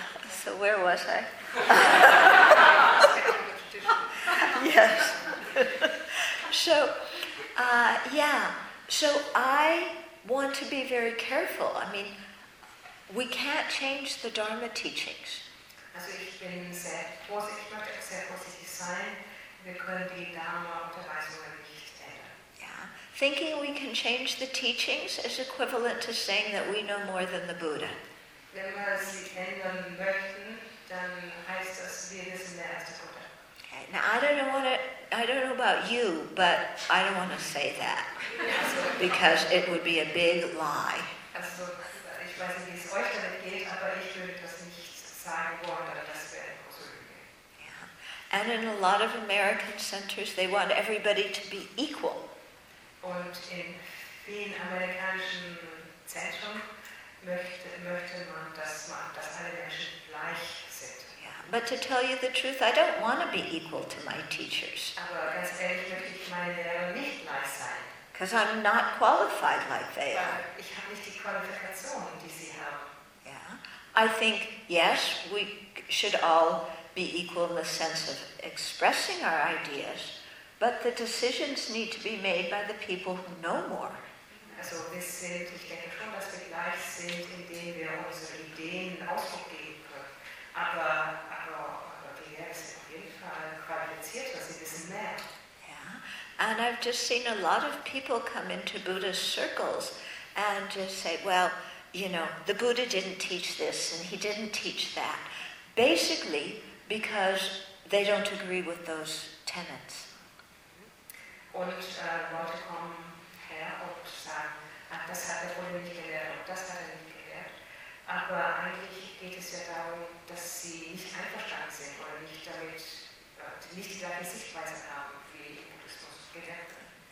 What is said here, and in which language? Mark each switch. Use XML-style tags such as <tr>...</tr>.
<en>So where was I? Yes. So, yeah. So I want to be very careful. I mean, we can't change the Dharma teachings.</en> <de>Also ich bin sehr vorsichtig, sehr vorsichtig sein. Wir können die Dharma-Unterweisungen nicht ändern.</de> <en>Yeah. Thinking we can change the teachings is equivalent to saying that we know more than the Buddha.</en> <de>Wenn wir sie ändern möchten, dann heißt das, wir wissen mehr als der Buddha.</de> <en>Okay. Now I don't know about you, but I don't want to say that. Because it would be a big lie.</en> <de>Also ich weiß nicht, wie es euch damit geht, aber ich würde das nicht.</de> <en>Yeah. And in a lot of American centers, they want everybody to be equal.</en> <de>Und in vielen amerikanischen Zentren möchte man, dass alle Menschen gleich sind.</de> <en>Yeah. But to tell you the truth, I don't want to be equal to my teachers.</en> <de>Aber ganz ehrlich, möchte ich meine Lehrer nicht gleich sein.</de> <en>Because I'm not qualified like they are.</en> <de>Ich habe nicht die Qualifikation, die sie haben.</de> <en>I think, yes, we should all be equal in the sense of expressing our ideas, but the decisions need to be made by the people who know more.</en> <de>Also, wir sind, ich denke schon, dass wir gleich sind, indem wir unsere Ideen Ausdruck geben können. Aber die Lehrer sind auf jeden Fall qualifiziert, weil sie wissen mehr.</de> <en>Yeah, and I've just seen a lot of people come into Buddhist circles and just say, well, you know, the Buddha didn't teach this and he didn't teach that. Basically, because they don't agree with those tenets.</en> <de>Und Leute kommen her und sagen, das hat der Buddha nicht gelehrt und das hat nicht gelehrt. Aber eigentlich geht es ja darum, dass sie nicht einverstanden sind oder nicht damit, nicht die gleiche Sichtweise haben, wie Buddhismus gelehrt hat.</de>